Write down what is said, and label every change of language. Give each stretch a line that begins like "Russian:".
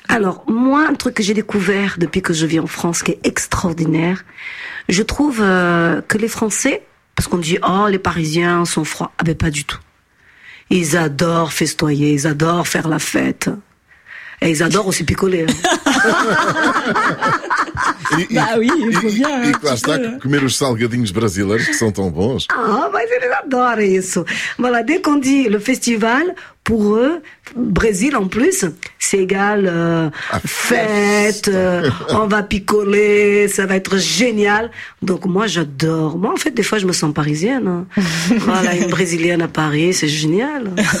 French: Alors, moi, un truc que j'ai découvert depuis que je vis en France, qui est extraordinaire, je trouve que les Français, parce qu'on dit, oh, les Parisiens sont froids. Ah ben, pas du tout. Ils adorent festoyer, ils adorent faire la fête. Et ils adorent aussi picoler. Bah oui, il faut bien.
Portuguese: E comer os salgadinhos brasileiros que são tão bons. Ah, mas eles adoram isso.
French: Voilà, dès qu'on dit le festival, pour eux, Brésil en plus, c'est égal fête, on va picoler, ça va être génial. Donc moi, j'adore. Moi, en fait, des fois, je me sens parisienne. Voilà, une brésilienne à Paris, c'est génial.